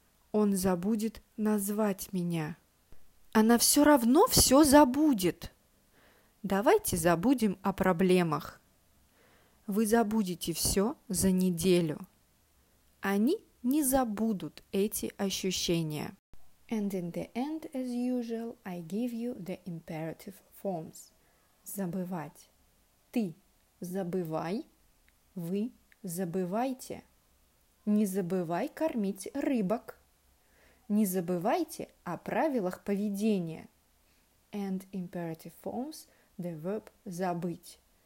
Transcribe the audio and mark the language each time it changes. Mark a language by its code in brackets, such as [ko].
[ru] Он забудет назвать меня. Она все равно все забудет. Давайте забудем о проблемах. Вы забудете все за неделю. Они не забудут эти ощущения. [en] And in the end, as usual, I give you the imperative forms. [ru] Забывать. Ты забывай, вы забывайте. Не забывай кормить рыбок. Не забывайте о правилах поведения. [en] And imperative forms the verb забыть.